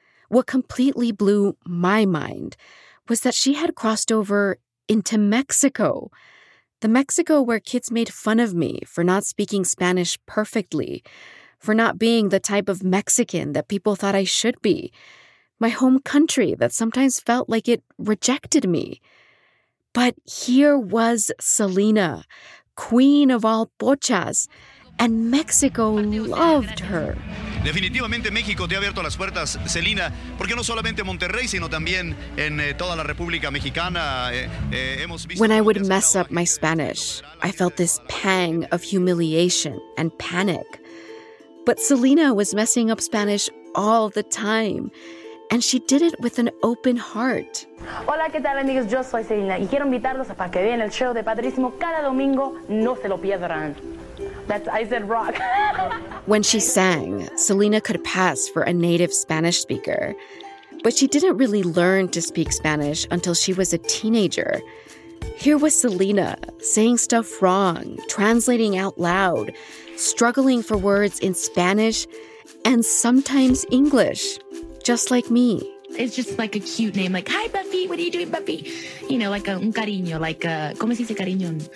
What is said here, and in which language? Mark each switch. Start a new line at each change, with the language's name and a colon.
English: What completely blew my mind was that she had crossed over into Mexico, the Mexico where kids made fun of me for not speaking Spanish perfectly, for not being the type of Mexican that people thought I should be, my home country that sometimes felt like it rejected me. But here was Selena, queen of all pochas, and Mexico loved her.
Spanish: Definitivamente México te ha abierto las puertas, Selena, porque no solamente Monterrey, sino también en toda la República Mexicana. Hemos visto.
English: When I would mess up my Spanish, I felt this pang of humiliation and panic. But Selena was messing up Spanish all the time, and she did it with an open heart.
Spanish: Hola, ¿qué tal, amigos? Yo soy Selena, y quiero invitarlos a para que vean el show de Padrísimo cada domingo. No se lo pierdan.
English: When she sang, Selena could pass for a native Spanish speaker. But she didn't really learn to speak Spanish until she was a teenager. Here was Selena, saying stuff wrong, translating out loud, struggling for words in Spanish, and sometimes English, just like me. It's just like a cute name, like, hi, Buffy, what are you doing, Buffy? You know, like a
Spanish: un cariño,
English: like a,
Spanish: ¿cómo se dice cariño?